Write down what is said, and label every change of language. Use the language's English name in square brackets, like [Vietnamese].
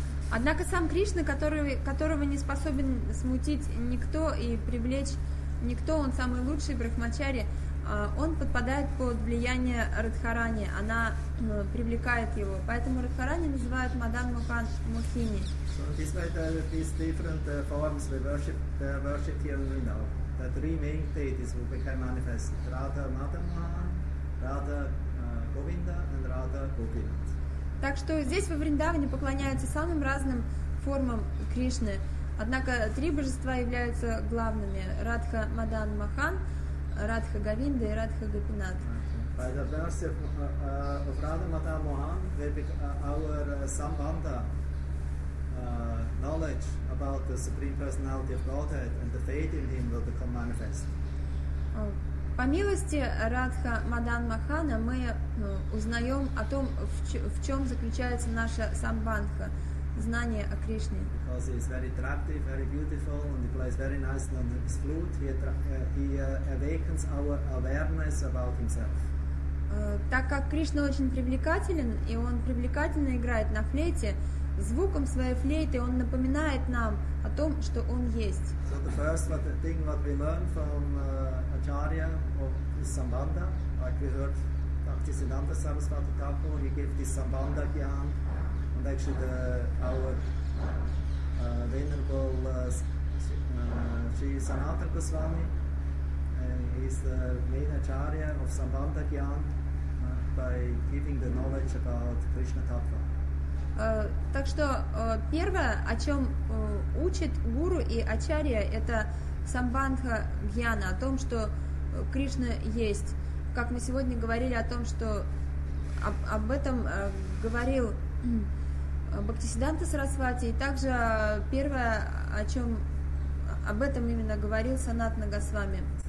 [Russian] Однако сам Кришна, которого не способен смутить никто и привлечь никто, он самый лучший брахмачари, он подпадает под влияние Радхарани. Она привлекает его. Поэтому Радхарани называют Мадан Мохан Мохини. [English] So this way these different forms we worship, they are worshipped here in Vrindavan. The three main deities who became manifest, Radha Madan Mohan, Radha Govinda and Radha Gopinath. [Russian] Так что здесь во Вриндаване поклоняются самым разным формам Кришны. Однако три божества являются главными: Радха Мадан Махан, Радха Говинда и Радха Гопинат. [English] By the mercy of Radha Madan Mohan, our Sambandha knowledge about the Supreme Personality of Godhead and the faith in Him will become manifest. [Russian] По милости Радха Мадан Махана мы узнаем о том, в чем заключается наша самбандха, знание о Кришне. [English] Because he is very attractive, very beautiful, and he plays very nicely on his flute. He awakens our awareness about himself. [Russian] Так как Кришна очень привлекателен, и он привлекательно играет на флейте, звуком своей флейты он напоминает нам о том, что он есть. [English] So the first thing what we learn from Acharya of this Sambandha, like we heard Bhaktisiddhanta Saraswati Thakur, he gave this Sambandha Gyan, and actually the, our venerable Sri Sanatana Goswami, he's the main Acharya of Sambandha Gyan, by giving the knowledge about Krishna Tattva. [Russian] Так что первое, о чем учит гуру и ачарья, это самбандха гьяна, о том, что Кришна есть. Как мы сегодня говорили о том, что об этом говорил Бхактисиддханта Сарасвати, и также первое, о чем об этом именно говорил Санатана Госвами.